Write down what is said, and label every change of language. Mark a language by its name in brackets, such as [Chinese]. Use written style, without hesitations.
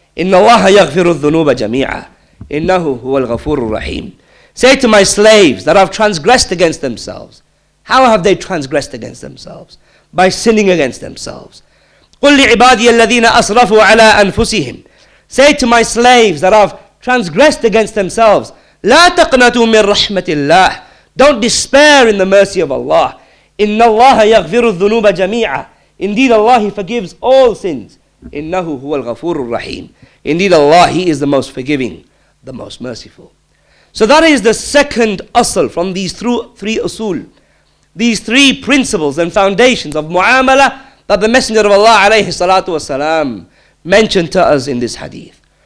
[Arabic] إن الله يغفر الذنوب جميعا إنه هو الغفور الرحيم. [English] Say to my slaves that have transgressed against themselves. How have they transgressed against themselves? By sinning against themselves. [Arabic] قل لعبادي الذين أسرفوا على أنفسهم. [English] Say to my slaves that have transgressed against themselves. [Arabic] لا تقنطوا من رحمة الله. [English] Don't despair in the mercy of Allah. [Arabic] إن الله يغفر الذنوب جميعا. [English] Indeed Allah, He forgives all sins. [Arabic] إنه هو الغفور الرحيم. [English] Indeed Allah, He is the most forgiving, the most merciful. So that is the second asl from these three usul. These three principles and foundations of mu'amala that the Messenger of Allah alayhi salatu wasalam mentioned to us in this hadith.